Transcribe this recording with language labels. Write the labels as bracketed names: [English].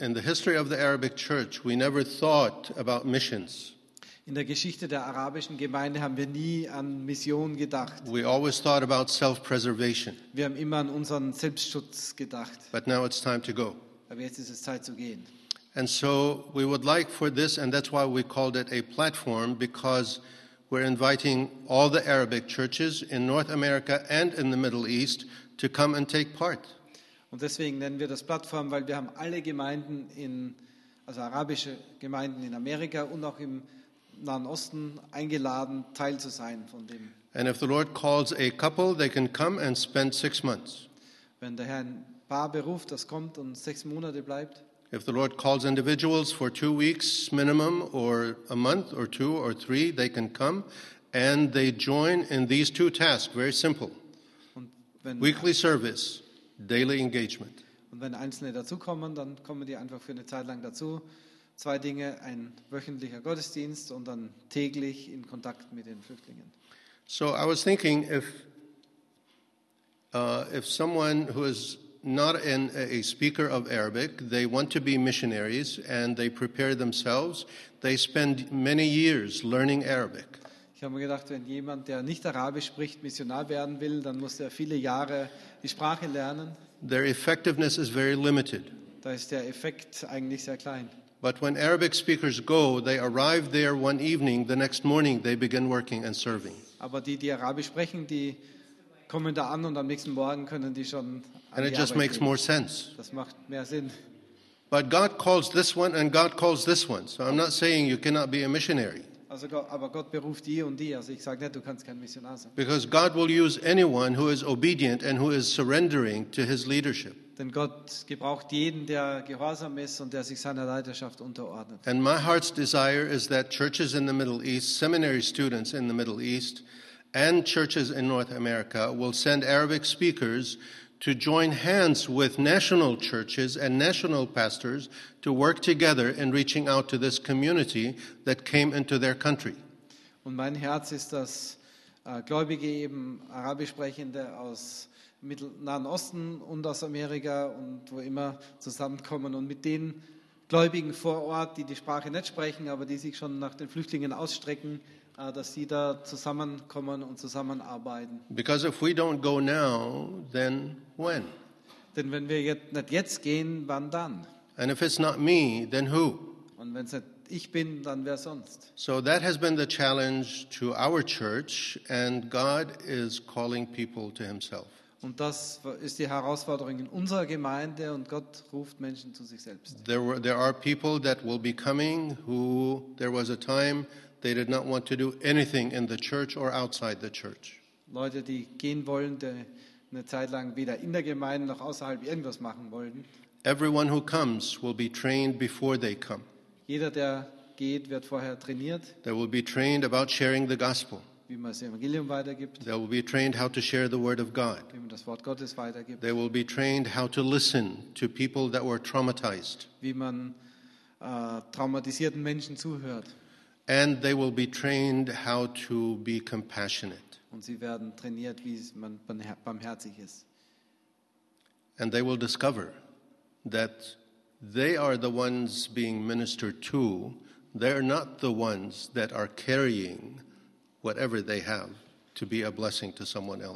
[English] In the history of the Arabic church, we never thought about missions. [German] In der Geschichte der arabischen Gemeinde haben wir nie an Mission gedacht. [English] We always thought about self-preservation. [German] Wir haben immer an unseren Selbstschutz gedacht. [English] But now it's time to go. [German] Aber jetzt ist es Zeit zu gehen. [English] And so we would like for this, and that's why we called it a platform, because we're inviting all the Arabic churches in North America and in the Middle East to come and take part. [German] Und deswegen nennen wir das Plattform, weil wir haben alle Gemeinden also arabische Gemeinden in Amerika und auch im Nahen Osten eingeladen, Teil zu sein von dem. [English] And if the Lord calls a couple, they can come and spend 6 months. [German] Wenn der Herr ein Paar beruft, das kommt und 6 Monate bleibt. [English] If the Lord calls individuals for 2 weeks minimum, or a month, or 2 or 3, they can come and they join in these 2 tasks, very simple. [German] Und wenn [English] weekly service, daily engagement. [German] Und wenn Einzelne dazukommen, dann kommen die einfach für eine Zeit lang dazu. 2 Dinge, ein wöchentlicher Gottesdienst und dann täglich in Kontakt mit den Flüchtlingen. [English] So I was thinking, if someone who is not a speaker of Arabic, they want to be missionaries and they prepare themselves, they spend many years learning Arabic. [German] Ich habe mir gedacht, wenn jemand, der nicht Arabisch spricht, Missionar werden will, dann muss er viele Jahre die Sprache lernen. [English] Their effectiveness is very limited. [German] Da ist der Effekt eigentlich sehr klein. [English] But when Arabic speakers go, they arrive there one evening, the next morning they begin working and serving. [German] Aber die Arabisch sprechen, die kommen da an und am nächsten Morgen können die schon. [English] And it just makes more sense. [German] Das macht mehr Sinn. [English] But God calls this one and God calls this one. So I'm not saying you cannot be a missionary. [German] Also Gott, aber Gott beruft die und die. Also ich sage nicht, du kannst kein Missionar sein. [English] Because God will use anyone who is obedient and who is surrendering to his leadership. [German] Denn Gott gebraucht jeden, der gehorsam ist und der sich seiner Leiterschaft unterordnet. [English] And my heart's desire is that churches in the Middle East, seminary students in the Middle East, and churches in North America will send Arabic speakers to join hands with national churches and national pastors to work together in reaching out to this community that came into their country. [German] Und mein Herz ist, dass Gläubige, eben Arabisch sprechende aus Nahen Osten und aus Amerika und wo immer, zusammenkommen und mit den Gläubigen vor Ort, die Sprache nicht sprechen, aber die sich schon nach den Flüchtlingen ausstrecken, dass sie da zusammenkommen und zusammenarbeiten. [English] Because if we don't go now, then when? [German] Denn wenn wir nicht jetzt gehen, wann dann? [English] And if it's not me, then who? [German] Und wenn es nicht ich bin, dann wer sonst? [English] So that has been the challenge to our church, and God is calling people to himself. [German] Und das ist die Herausforderung in unserer Gemeinde, und Gott ruft Menschen zu sich selbst. [English] There are people that will be coming who there was a time they did not want to do anything in the church or outside the church. [German] Leute, die gehen wollen, die eine Zeit lang weder in der Gemeinde noch außerhalb irgendwas machen wollten. [English] Everyone who comes will be trained before they come. [German] Jeder, der geht, wird vorher trainiert. [English] They will be trained about sharing the gospel. [German] Wie man das Evangelium weitergibt. [English] They will be trained how to share the word of God. [German] Wie man das Wort Gottes weitergibt. [English] They will be trained how to listen to people that were traumatized. [German] Wie man traumatisierten Menschen zuhört. [English] And they will be trained how to be compassionate. [German] Und sie werden trainiert, wie man barmherzig ist. [English] And they will discover that they are the ones being ministered to. They are not the ones that are carrying whatever they have to be a blessing to someone else.